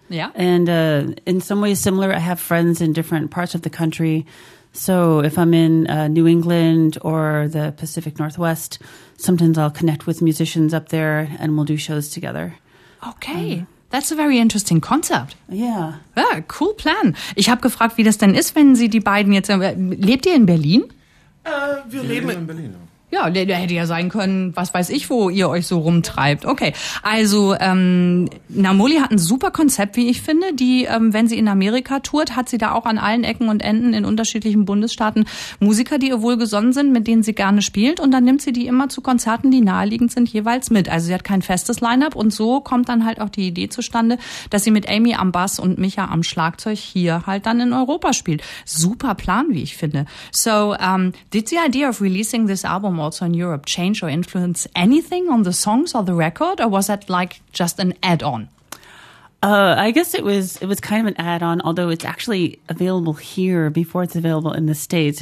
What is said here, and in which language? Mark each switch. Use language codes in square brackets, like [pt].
[en] Yeah. And in some ways similar, I have friends in different parts of the country. So if I'm in New England or the Pacific Northwest, sometimes I'll connect with musicians up there and we'll do shows together. Okay. That's a very interesting concept. Yeah. Yeah, cool plan. [de] Ich habe gefragt, wie das denn ist, wenn Sie die beiden jetzt... Lebt ihr in Berlin? Wir leben in Berlin. Ja, der hätte ja sein können, was weiß ich, wo ihr euch so rumtreibt. Okay, also Namoli hat ein super Konzept, wie ich finde. Die, wenn sie in Amerika tourt, hat sie da auch an allen Ecken und Enden in unterschiedlichen Bundesstaaten Musiker, die ihr wohlgesonnen sind, mit denen sie gerne spielt. Und dann nimmt sie die immer zu Konzerten, die naheliegend sind, jeweils mit. Also sie hat kein festes Line-up. Und so kommt dann halt auch die Idee zustande, dass sie mit Amy am Bass und Micha am Schlagzeug hier halt dann in Europa spielt. Super Plan, wie ich finde. [en] So, did the idea of releasing this album also in Europe change or influence anything on the songs or the record, or was that like just an add-on? I guess it was kind of an add-on, although it's actually available here before it's available in the States.